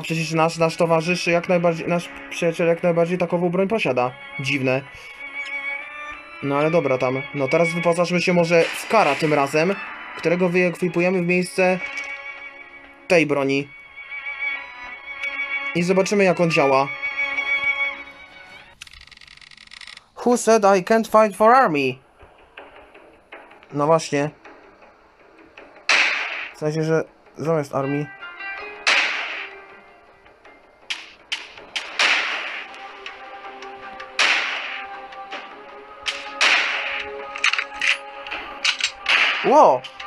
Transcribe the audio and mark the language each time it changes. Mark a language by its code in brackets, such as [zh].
[pl] Przecież nasz towarzysz jak najbardziej, nasz przyjaciel jak najbardziej takową broń posiada. Dziwne. No ale dobra tam. No teraz wyposażmy się może w Kara tym razem, którego wyekwipujemy w miejsce tej broni. I zobaczymy, jak on działa. [en] Who said I can't fight for army? [pl] No właśnie. W sensie, że zamiast armii. Wow!